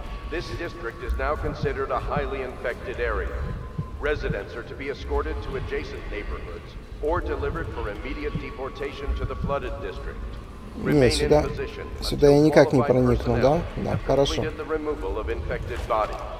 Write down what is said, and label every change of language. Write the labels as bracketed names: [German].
[English] This district is now considered a highly infected area. Residents are to be escorted to adjacent neighborhoods or delivered for immediate deportation to the flooded district. [Russian] Не, сюда я никак не проникну, да? Да, хорошо. [English] The removal of infected bodies.